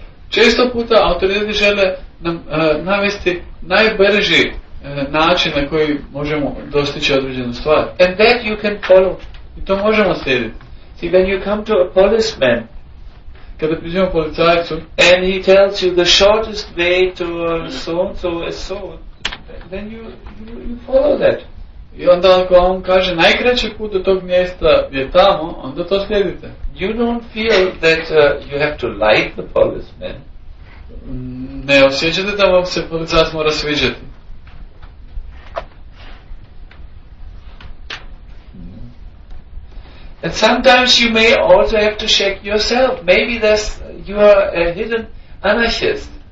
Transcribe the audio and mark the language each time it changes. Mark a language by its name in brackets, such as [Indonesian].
[Croatian] Često puta autoriteti žele nam navesti najbrži način na koji možemo dostići određenu stvar. [English] And that you can follow. [Croatian] I to možemo slijediti. [English] See, when you come to a policeman, [Croatian] kada priđemo policajcu, [English] and he tells you the shortest way to so and so is so, then you follow that. [Croatian] I onda ako on kaže najkraći put do tog mjesta je tamo, onda to slijedite. [English] You don't feel that you have to like the policeman. [Croatian] Ne osjećate da vam se policajac mora sviđati. [English] And sometimes you may also have to check yourself. Maybe there's you are a hidden anarchist.